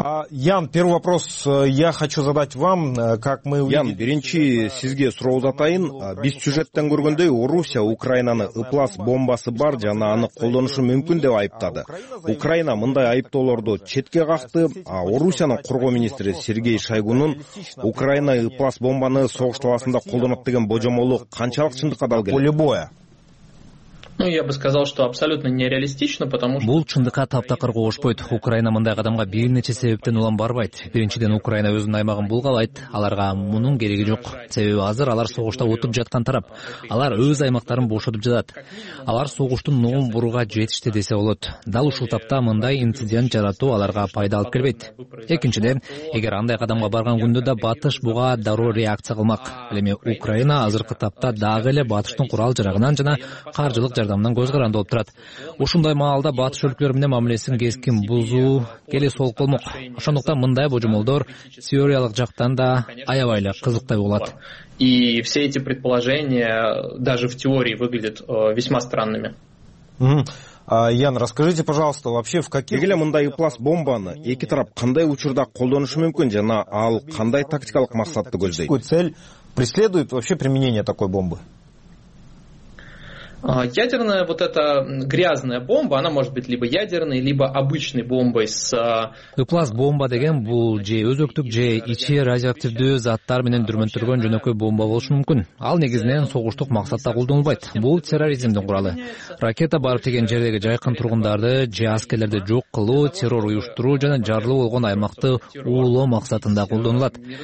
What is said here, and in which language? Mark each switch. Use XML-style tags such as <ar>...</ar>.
<ru>Ян, первый вопрос я хочу задать вам, как мы увидели...</ru> <ky>Ян, биринчи сизге суроо задайын. Биз сюжеттен көргөндөй Орусия Украинаны ыплас бомбасы бар жана аны колдонушу мүмкүн деп айыптады. Украина мындай айыптоолорду четке какты. Орусиянын коргоо министри Сергей Шойгунун Украина ыплас бомбаны согуш талаасында колдонот деген божомолу канчалык чындыкка дал келет?</ky> <ru>Ну, я бы сказал, что абсолютно нереалистично, потому что...</ru> <ky>Бул чындыкка таптакыр коошпойт. Украина мындай кадамга бир нече себептен улам барбайт. Биринчиден, Украина өзүнүн аймагын булгалайт. Аларга мунун кереги жок. Себеби азыр алар согушта утуп жаткан тарап. Алар өз аймактарын бошотуп жатат. Алар согуштун ноомбурга жетишти десе болот. Дал ушул тапта мындай инцидент жаратуу аларга пайда алып келбейт. Экинчиден, эгер андай кадамга барган күндө да батыш буга дароо реакция кылмак. Ал эми Украина азыркы тапта дагы эле батыштын курал жарагынан жана каржылык жардамынан көз каранды болуп турат. Ушундай маалда батыш өлкөлөр менен мамилесин кескин бузуу келе солук болмок. Ошондуктан мындай божомолдор теориялык жактан да аябай эле кызыктай болот.</ky> <ru>И все эти предположения даже в теории выглядят весьма странными. Ян, расскажите, пожалуйста, вообще в каких...</ru> <ky>Эгеле мындай ыплас бомбаны эки тарап кандай учурда колдонушу мүмкүн жана ал кандай тактикалык максатты көздөйт?</ky> <ru>Какую цель преследует вообще применение такой бомбы? Ядерная вот эта грязная бомба, она может быть либо ядерной, либо обычной бомбой с...</ru> <ky>Ыплас бомба деген бул же өзөктүк, же ичи радиоактивдүү заттар менен дүрмөнтүргөн жөнөкөй бомба болушу мүмкүн. Ал негизинен согуштук максатта колдонулбайт. Бул терроризмдин куралы. Ракета бар деген жердеги жайкын тургундарды же аскерлерди жок кылуу, террор уюштуруу жана жарылуу болгон аймакты уулоо максатында колдонулат.</ky>